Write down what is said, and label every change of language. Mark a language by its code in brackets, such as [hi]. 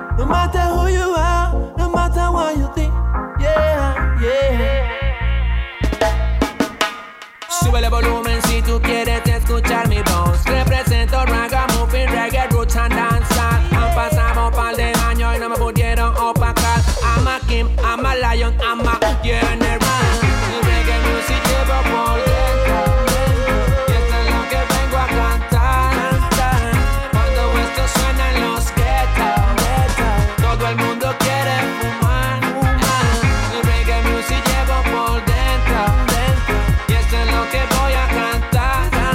[en] No mate who you are, no mate what you think. Yeah, yeah. [es] Sube el volumen si tú quieres escuchar mi voz. Represento Ragamuffin, reggae, roots and dancehall. Han pasado un par de años y no me pudieron opacar. [en] I'm a Kim, I'm a Lion, I'm a General. [es] Reggae music llevo por dentro. Y esto es lo que vengo a cantar. Cuando esto suena en los ghetto, todo el mundo quiere fumar. Reggae music llevo por dentro. Y esto es lo que voy a cantar.